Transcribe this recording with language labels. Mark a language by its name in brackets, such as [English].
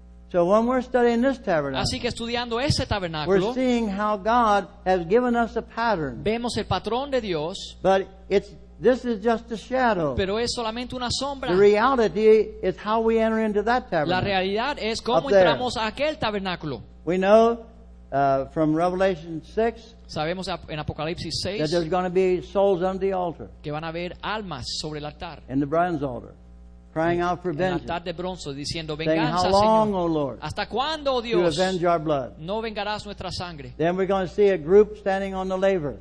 [English] So when we're studying this tabernacle, [Spanish] así que estudiando ese tabernáculo, [English] we're seeing how God has given us a pattern. [Spanish] Vemos el patrón de Dios, [English] but this is just a shadow. [Spanish] Pero es solamente una sombra. [English] The reality is how we enter into that tabernacle. [Spanish] La realidad es cómo entramos a aquel tabernáculo. [English] We know from Revelation 6, [Spanish] sabemos en Apocalipsis 6, [English] that there's going to be souls on the altar, [Spanish] que van a haber almas sobre el altar, [English] in the bronze altar, crying out for vengeance, [Spanish] en altar de bronzo, diciendo, [English] saying, [Spanish] venganza, [English] how long, [Spanish] Señor, [English] O Lord, [Spanish] hasta cuándo, oh Dios, [English] to avenge our blood. [Spanish] No vengarás nuestra sangre. [English] Then we're going to see a group standing on the laver,